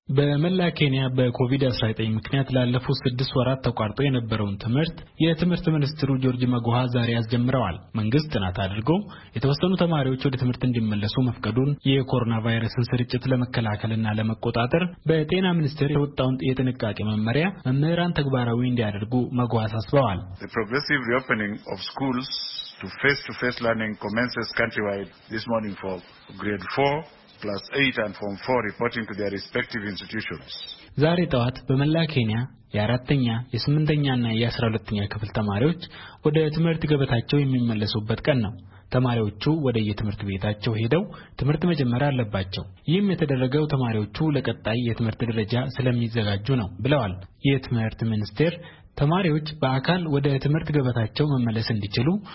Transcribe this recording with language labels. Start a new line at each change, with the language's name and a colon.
Amharic: በመላ ኬንያ በኮቪድ-19 ምክንያት ላለፉት 6 ወራት ተቋርጦ የነበረውን ትምህርት ሚኒስትሩ ጆርጅ መጓሃ ዛሬ አስጀምረዋል። መንግስት ጥናት አድርጎ የተወሰኑ ተማሪዎች ወደ ትምህርት እንዲመለሱ መፍቀዱን የኮሮና ቫይረስን ስርጭት ለመከላከልና ለመቆጣጠር በጤና ሚኒስቴር የወጣውን የጥንቃቄ መመሪያ መምህራን ተግባራዊ እንዲያደርጉ መጓሃ አሳስበዋል።
English: The progressive reopening of schools to face-to-face learning commences countrywide this morning for grade 4 plus 8 and form 4 reporting to their respective institutions.
Amharic: ዛሬ ጠዋት በመላ ኬንያ የ4ኛ የ8ኛ እና የ12ኛ ክፍል ተማሪዎች ወደ ትምህርት ገበታቸው የሚመለሱበት ቀን ነው። ተማሪዎቹ ወደ የትምህርት ቤታቸው ሄደው ትምህርት መጀመር አለባቸው። ይህም የተደረገው ተማሪዎቹ ለቀጣይ የትምህርት ደረጃ ስለሚዘጋጁ ነው ብለዋል። የትምህርት ሚኒስቴር ተማሪዎች በአካል ወደ ትምህርት ገበታቸው መመለስ እንዲችሉ